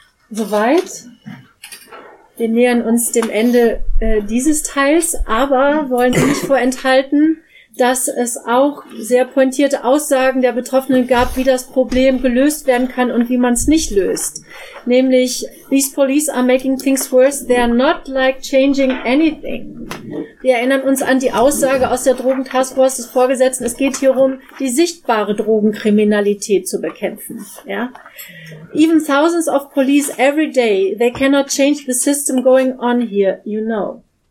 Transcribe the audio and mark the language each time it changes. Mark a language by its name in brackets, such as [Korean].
[German] Soweit. Wir nähern uns dem Ende dieses Teils, aber wollen Sie nicht vorenthalten, dass es auch sehr pointierte Aussagen der Betroffenen gab, wie das Problem gelöst werden kann und wie man es nicht löst. [English] Nämlich, these police are making things worse, they are not like changing anything. [German] Wir erinnern uns an die Aussage aus der Drogentaskforce des Vorgesetzten, es geht hier um, die sichtbare Drogenkriminalität zu bekämpfen. Ja? [English] Even thousands of police every day, they cannot change the system going on here, you know.